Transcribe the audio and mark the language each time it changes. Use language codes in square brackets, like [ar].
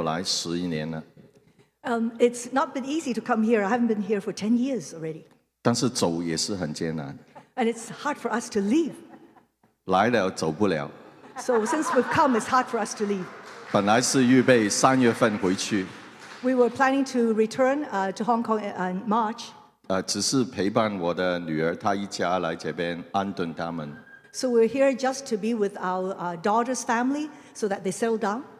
[zh] 所以你们两个加在一起，如果你们心里有什么感动要来分享的，来加拿大很艰难，差不多我没有来十一年了。It's [en] not been easy to come here. I haven't been here for 10 years already. [zh] 但是走也是很艰难。And [en] it's hard for us to leave. [zh] 来了走不了。So [en] since we've come, it's hard for us to leave. [zh] 本来是预备三月份回去。We [en] were planning to return to Hong Kong in March. [zh] 只是陪伴我的女儿，她一家来这边安顿他们。So [en] we're here just to be with our daughter's family so that they settle down.